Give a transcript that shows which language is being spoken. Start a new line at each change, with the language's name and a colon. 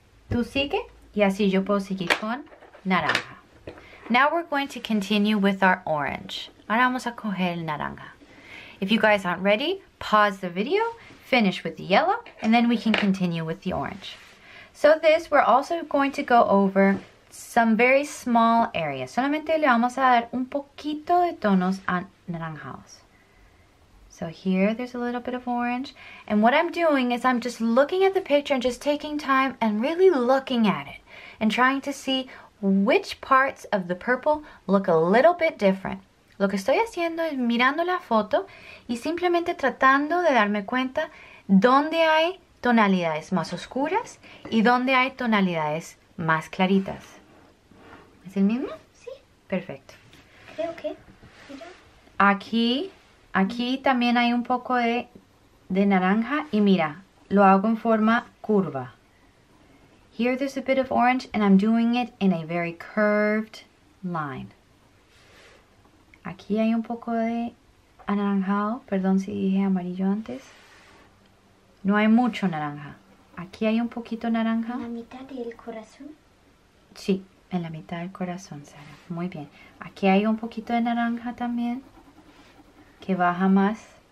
Spanish: Tú sigue y así yo puedo seguir con naranja.
English: Now we're going to continue with our orange.
Spanish: Ahora vamos a coger el naranja.
English: If you guys aren't ready, pause the video. Finish with the yellow, and then we can continue with the orange. So this, we're also going to go over some very small areas.
Spanish: Solamente le vamos a dar un poquito de tonos a naranjas.
English: So here, there's a little bit of orange. And what I'm doing is I'm just looking at the picture and just taking time and really looking at it and trying to see which parts of the purple look a little bit different.
Spanish: Lo que estoy haciendo es mirando la foto y simplemente tratando de darme cuenta dónde hay tonalidades más oscuras y dónde hay tonalidades más claritas. ¿Es el mismo? Sí. Perfecto. Creo que, mira. Aquí también hay un poco de naranja y mira, lo hago en forma curva.
English: Here there's a bit of orange and I'm doing it in a very curved line.
Spanish: Aquí hay un poco de anaranjado, perdón si dije amarillo antes. No hay mucho naranja. Aquí hay un poquito naranja. ¿En la mitad del corazón? Sí, en la mitad del corazón, Sara. Muy bien. Aquí hay un poquito de naranja también, que baja más.